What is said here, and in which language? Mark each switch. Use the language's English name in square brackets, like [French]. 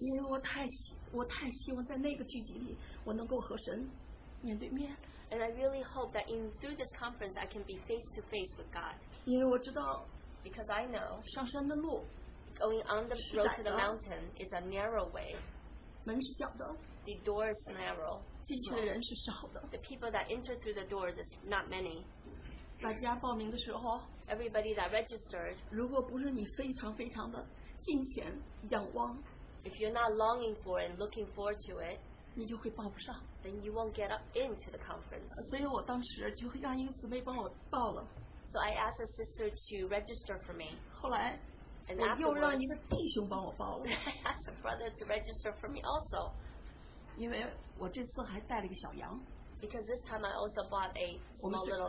[Chinese] 因为我太希望在那个聚集里我能够和神面对面, [English] and I really hope that in through this conference I can be face to face with God. [Chinese] 因为我知道, [English] because I know [Chinese] 上山的路, [English] going on the road to the mountain is a narrow way. [Chinese] 门是小的, [English] the door is narrow. [Chinese] 进去的人是少的, [English] the people that enter through the door is not many. [Chinese] 大家报名的时候, [English] everybody that registered, [Chinese] 如果不是你非常非常的敬虔仰望, [English] if you're not longing for and looking forward to it, [Chinese] 你就会报不上, [English] then you won't get up into the conference. [Chinese] 所以我当时就让一个姊妹帮我报了, [English] so I asked a sister to register for me. [Chinese] 后来, [English] and afterwards, [Chinese] 我又让一个弟兄帮我报了, [English] I asked a brother to register for me also. [Chinese] 因为我这次还带了一个小羊, [English] because this time I also bought a small little lamb.